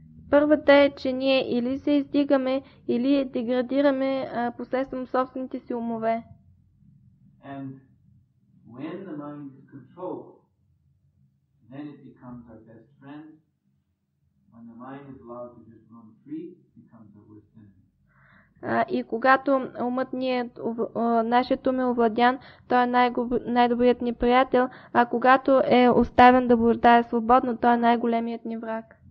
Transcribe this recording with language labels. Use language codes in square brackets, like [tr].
[bg] Първата е, че ние или се издигаме, или деградираме посредством собствените си умове. [en] And when the mind is controlled, then it becomes our best friend. When the mind is allowed to just run free, it becomes our worst enemy. [bg] И когато умът ни е, нашият ум е овладян, той е най-добрият ни приятел, а когато е оставен да блуждае свободно, той е най-големият ни враг.